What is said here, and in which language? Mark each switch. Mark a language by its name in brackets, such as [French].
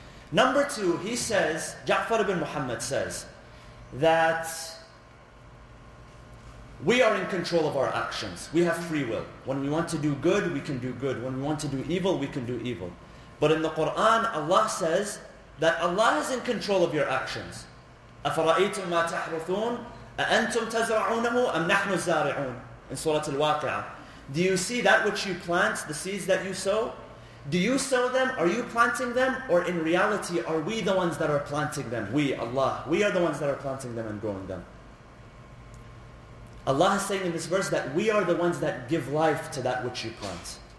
[English] Number two, he says, Ja'far ibn Muhammad says, that we are in control of our actions. We have free will. When we want to do good, we can do good. When we want to do evil, we can do evil. But in the Quran, Allah says that Allah is in control of your actions. [Arabic] أَفَرَأَيْتُمْ مَا تَحْرُثُونَ أَأَنْتُمْ تَزْرَعُونَهُ أَمْ نَحْنُ الزَّارِعُونَ [English] in Surah Al-Waqi'ah. Do you see that which you plant, the seeds that you sow? Do you sow them? Are you planting them? Or in reality, are we the ones that are planting them? We, Allah, we are the ones that are planting them and growing them. Allah is saying in this verse that we are the ones that give life to that which you plant.